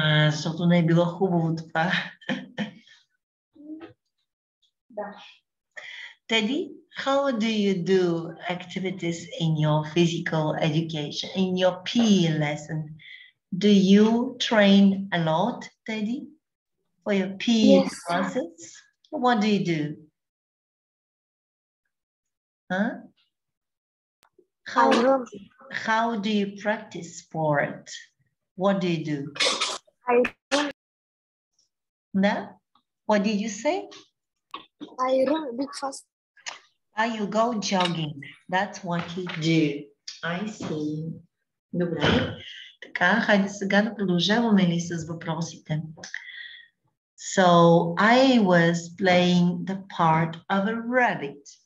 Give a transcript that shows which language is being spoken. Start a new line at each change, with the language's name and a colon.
Bulgarian: Защото не е било хубаво това. Да.
English: Теди, how do you do activities in your physical education, in your PE lesson? Do you train a lot, Teddy, for your PE classes? What do you do? Huh? How do you practice sport? What do you do? I run. No? What did you say? I run because. Ah, you go jogging. That's what you do. I see.
Bulgarian: Добре. Така, хайде сега да продължаваме ли с въпросите.
English: So, I was playing the part of a rabbit.